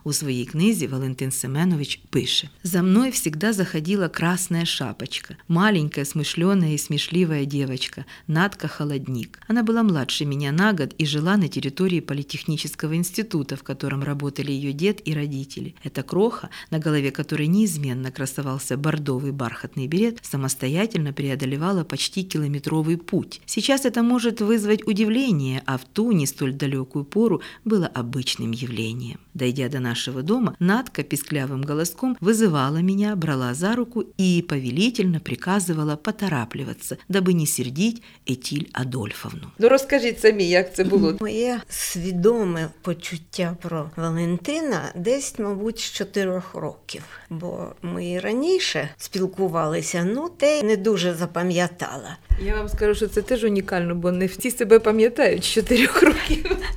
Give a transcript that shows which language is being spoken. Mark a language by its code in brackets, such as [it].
[uk] У своїй книзі Валентин Семенович пише: «За мною [ru] всегда заходила красная шапочка. [uk] Маленька, [ru] смышленая [uk] і [ru] смішлівая [uk] дівчинка, Надка Холодник. Вона була младше мене на год і жила на території політехнічного інституту, [ru] в котором работали ее дед и родители. Эта кроха, на голове которой неизменно красовался бордовый бархатный берет, самостоятельно преодолевала почти километровый путь. Сейчас это может вызвать удивление, а в ту не столь далекую пору было обычным явлением. Дойдя до нашего дома, Надка писклявым голоском вызывала меня, брала за руку и повелительно приказывала поторапливаться, дабы не сердить Этиль Адольфовну». [uk] Ну, розкажіть самі, як це було? Моє свідоме почуття про Валентина десь, мабуть, з 4 років. Бо ми і раніше спілкувалися, ну, те не дуже запам'ятала. Я вам скажу, що це теж унікально, бо не всі себе пам'ятають з 4 років.